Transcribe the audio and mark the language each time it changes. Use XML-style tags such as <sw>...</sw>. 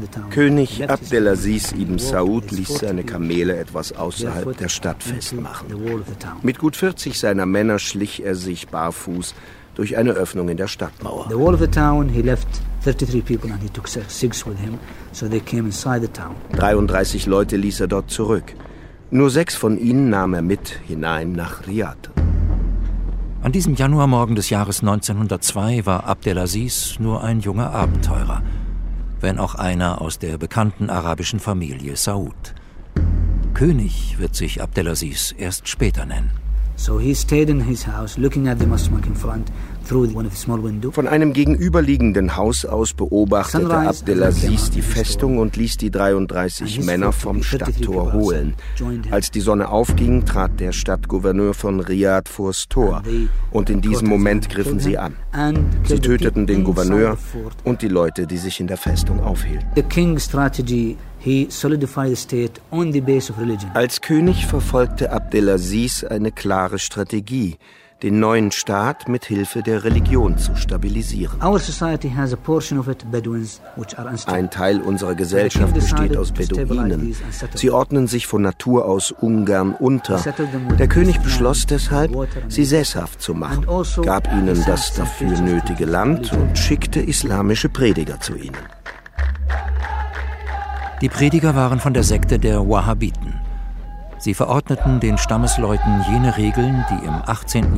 <de>König Abdelaziz ibn Saud ließ seine Kamele etwas außerhalb der Stadt festmachen. Mit gut 40 seiner Männer schlich er sich barfuß durch eine Öffnung in der Stadtmauer.</de> <en>The wall of the town, he left 33 people and he took six with him, so they came inside the town.</en> <de>33 Leute ließ er dort zurück. Nur 6 von ihnen nahm er mit hinein nach Riad. An diesem Januarmorgen des Jahres 1902 war Abdelaziz nur ein junger Abenteurer, wenn auch einer aus der bekannten arabischen Familie Saud. König wird sich Abdelaziz erst später nennen.</de> <en>So he stayed in his house, looking at the Masmak in front through one of the small windows.</en> <de>Von einem gegenüberliegenden Haus aus beobachtete Abdelaziz die Festung und ließ die 33 Männer vom Stadttor holen. Als die Sonne aufging, trat der Stadtgouverneur von Riad vors Tor. Und in diesem Moment griffen sie an. Sie töteten den Gouverneur und die Leute, die sich in der Festung aufhielten.</de> <en>The king's strategy. He solidified the state on the base of religion.</en> <de>Als König verfolgte Abdelaziz eine klare Strategie, den neuen Staat mit Hilfe der Religion zu stabilisieren.</de> <en>Our society has a portion of it Bedouins, which are unstable.</en> <de>Ein Teil unserer Gesellschaft besteht aus Beduinen. Sie ordnen sich von Natur aus ungern unter. Der König beschloss deshalb, sie sesshaft zu machen, gab ihnen das dafür nötige Land und schickte islamische Prediger zu ihnen. Die Prediger waren von der Sekte der Wahhabiten. Sie verordneten den Stammesleuten jene Regeln, die im 18.</de>